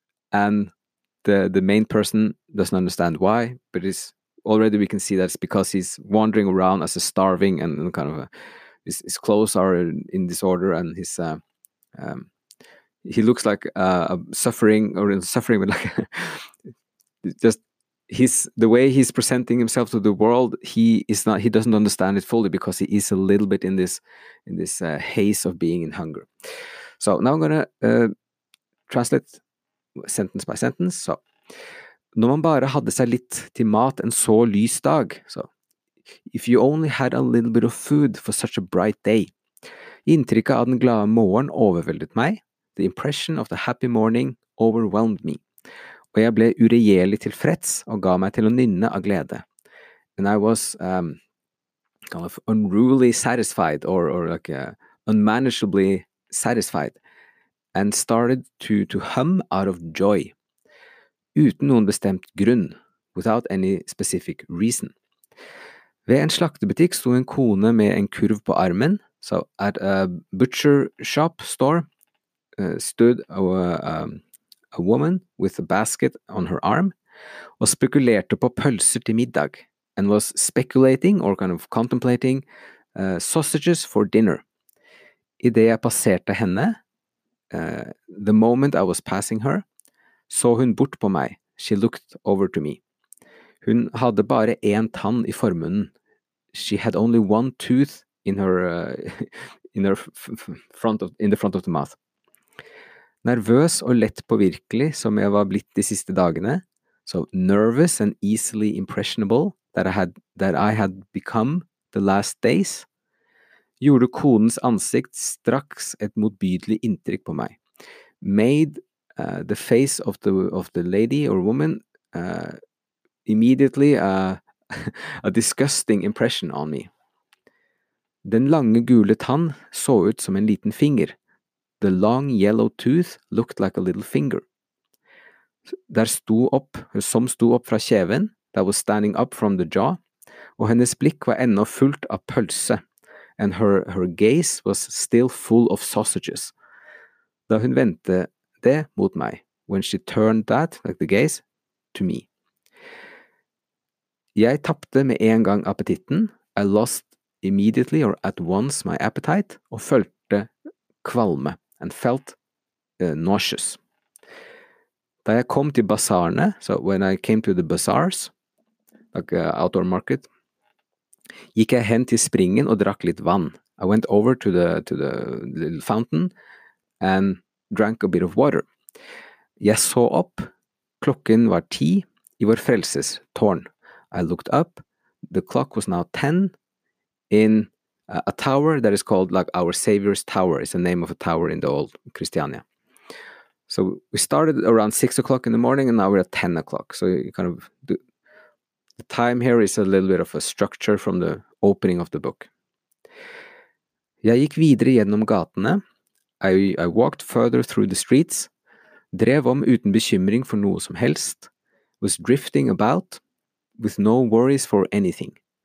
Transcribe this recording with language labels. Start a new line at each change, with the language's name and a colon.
English: and the main person doesn't understand why, but it's already we can see that it's because he's wandering around as a starving and kind of his clothes are in disorder and his he looks like suffering, but like just the way he's presenting himself to the world. He doesn't understand it fully because he is a little bit in this haze of being in hunger. So now I'm gonna translate sentence by sentence.
Norwegian: So, når man bare hadde seg litt til mat en så lys dag.
English: So, if you only had a little bit of food for such a bright day,
Norwegian: inntrykket av den glade morgen overveldet meg.
English: The impression of the happy morning overwhelmed me,
Norwegian: og jeg ble uregjerlig tilfreds og ga meg til å nynne av glede,
English: And I was kind of unruly satisfied or unmanageably satisfied and started to hum out of joy.
Norwegian: Uten noen bestemt grunn,
English: without any specific reason.
Norwegian: Ved en slaktebutikk sto en kone med en kurv på armen.
English: So at a butcher shop store stood a woman with a basket on her arm
Norwegian: og spekulerte på pølser til middag
English: and was speculating or kind of contemplating sausages for dinner.
Norwegian: I det jeg passerte henne,
English: the moment I was passing her,
Norwegian: så hun bort på meg.
English: She looked over to me.
Norwegian: Hun hadde bare en tann I formunnen.
English: She had only one tooth in the front of the mouth.
Norwegian: Nervøs og lett påvirkelig som jeg var blitt de siste dagene,
English: so nervous and easily impressionable that I had become the last days,
Norwegian: gjorde konens ansikt straks et motbydelig inntrykk på meg.
English: Made the face of the lady or woman immediately a disgusting impression on me.
Norwegian: Den lange gule tann så ut som en liten finger.
English: The long yellow tooth looked like a little finger.
Norwegian: Der sto opp, som sto opp fra kjeven,
English: that was standing up from the jaw,
Norwegian: og hennes blikk var ennå fullt av pølse,
English: and her gaze was still full of sausages.
Norwegian: Da hun vendte det mot meg,
English: when she turned that, like the gaze, to me.
Norwegian: Jeg tapte med en gang appetitten,
English: I lost immediately or at once my appetite,
Norwegian: og følte kvalme,
English: and felt nauseous.
Norwegian: Da jeg kom til basarene,
English: so when I came to the bazaars, like outdoor market,
Norwegian: gikk jeg hen til springen og drakk litt vann.
English: I went over to the little fountain and drank a bit of water.
Norwegian: Jeg så opp, klokken var 10 I vår frelses tårn.
English: I looked up, the clock was now 10 in a tower that is called like Our Savior's Tower. It's the name of a tower in the old Kristiania. So we started around 6 o'clock in the morning and now we're at 10 o'clock. So you kind of do, the time here is a little bit of a structure from the opening of the book.
Norwegian: Jeg gikk videre gjennom gatene.
English: I walked further through the streets.
Norwegian: Drev om uten bekymring for noe som helst.
English: Was drifting about with no worries for anything.